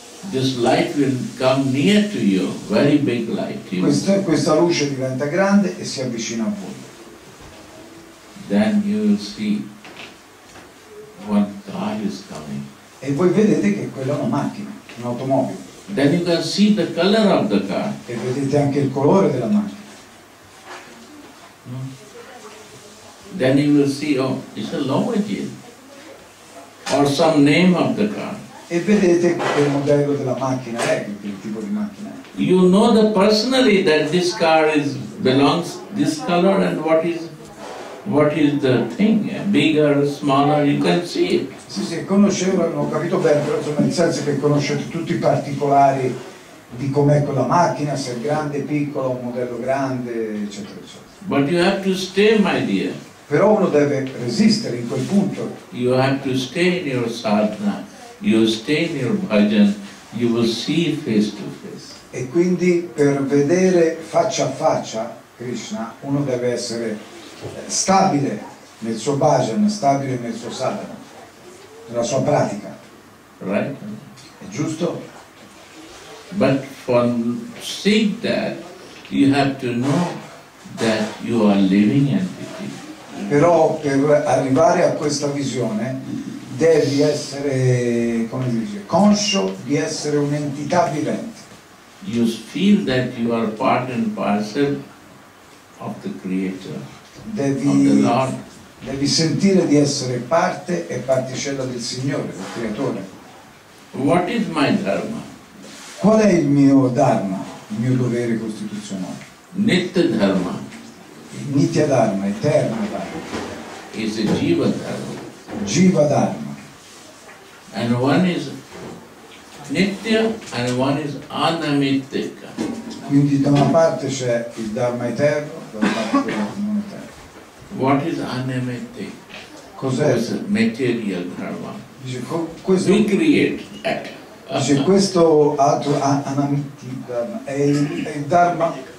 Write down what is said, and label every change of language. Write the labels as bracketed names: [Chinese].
[English] This light will come near to you, very big light. [Italian] Questa luce diventa grande e si avvicina a voi. [English] Then you will see one car is coming. [Italian] E voi vedete che quella è una macchina, un'automobile. [English] Then you can see the color of the car. [Italian] E vedete anche il colore della macchina. [English] Then you will see, oh, it's a Lamborghini. Or some name of the car. [Italian] E vedete che il modello della macchina è, il tipo di macchina è. [English] You know that personally that this car belongs this color and what is what is the thing, bigger, smaller, you can see it. [Italian] Sì, sì, conoscevano, ho capito bene, però insomma nel senso che conoscete tutti i particolari di com'è quella macchina, se è grande, piccola, un modello grande, eccetera, eccetera. [English] But you have to stay, my dear. [Italian] Però uno deve resistere in quel punto. [English] You have to stay in your sadhana, you stay in your bhajan, you will see face to face. [Italian] E quindi per vedere faccia a faccia Krishna, uno deve essere stabile nel suo bhajan, stabile nel suo sadhana, nella sua pratica. [English] Right. [Italian] È giusto? [English] But for seeing that, you have to know that you are living entity. [Italian] Però per arrivare a questa visione devi essere, come si dice, conscio di essere un'entità vivente. [English] You feel that you are part and parcel of the Creator, [Italian] devi, [English] of the Lord. [Italian] Devi sentire di essere parte e particella del Signore, del Creatore. [English] What is my dharma? [Italian] Qual è il mio dharma, il mio dovere costituzionale? [Sanskrit] Nitya dharma. [Italian] Nitya dharma, eterno [English] dharma. Is a jiva dharma. [Sanskrit] Jiva dharma. [English] And one is nitya and one is anamitya. [Italian] Quindi da una parte c'è il dharma eterno, da una parte c'è il dharma non eterno. [English] What is anamitya? [Italian] Cos'è? [English] Is material dharma. [Italian] Dice, questo, [English] we create that. [Italian] Dice, questo altro anamitya dharma è il dharma.